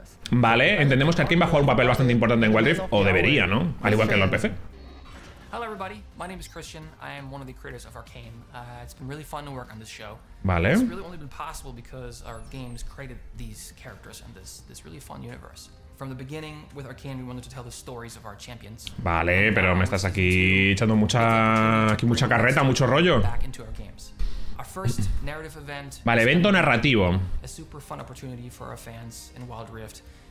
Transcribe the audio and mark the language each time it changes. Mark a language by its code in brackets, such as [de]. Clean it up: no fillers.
[es] Vale, entendemos que Arcane va a jugar un papel bastante importante en Wild Rift, o debería, ¿no? Al igual que en el PC. [en] Hello everybody. My name is Christian. I am one of the creators of Arcane. It's been really fun to work on this show. [es] Vale. [en] It's really only been possible because our games created these characters and this really fun universe. From the beginning with Arcane, we wanted to tell the stories of our champions. [es] Vale, pero me estás aquí echando mucha carreta, mucho rollo. Vale, evento narrativo. [en] A super fun opportunity for our fans in Wild Rift.